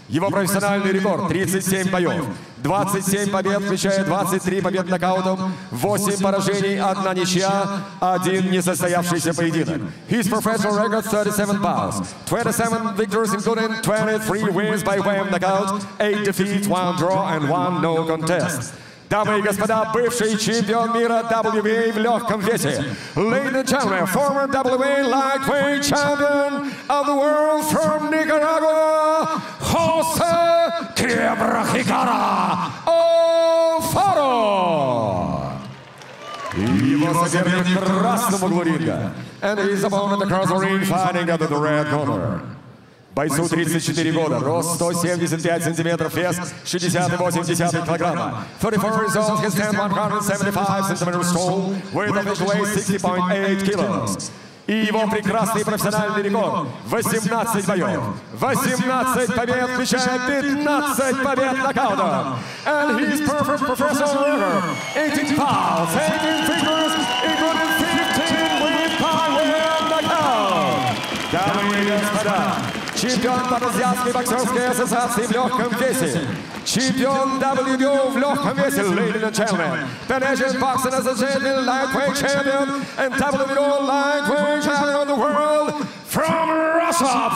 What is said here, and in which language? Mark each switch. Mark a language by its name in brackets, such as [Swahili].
[Russian] Его профессиональный рекорд 37 боев, 27 побед, включая 23 побед нокаутом, 8 поражений, 1 ничья, 1 несостоявшийся поединок. [English] His professional record 37 bouts, 27 victories including 23 wins by way of knockout, 8 defeats, 1 draw and 1 no contest. [Russian] Дамы и господа, бывший чемпион мира WBA в легком весе. [English] Ladies and gentlemen, former WBA lightweight champion of the world from Nicaragua, Jose Quiebra Jicara Alfaro. [Russian] Его соперник в красном углу ринга. [English] And his opponent across the ring fighting under the red corner. [Russian] Бойцу 34 года, рост 175 сантиметров, вес 60,8 килограмма. [English] 34 years old, he stands 175 centimeters tall, with official weight 60.8 kilos. [Russian] И его прекрасный профессиональный рекорд – 18 боев, 18 побед, включая 15 побед нокаутом. [English] And his perfect professional record – 18 pounds, 18 figures, including 15 wins by way of knockout. [Russian] Дамы и господа, чемпион по азиатской боксерской ассоциации в легком весе. Чемпион WBO в легком весе, [English] ladies and gentlemen. Pan Asian Boxing Association lightweight champion and WBO lightweight champion of the world from Russia.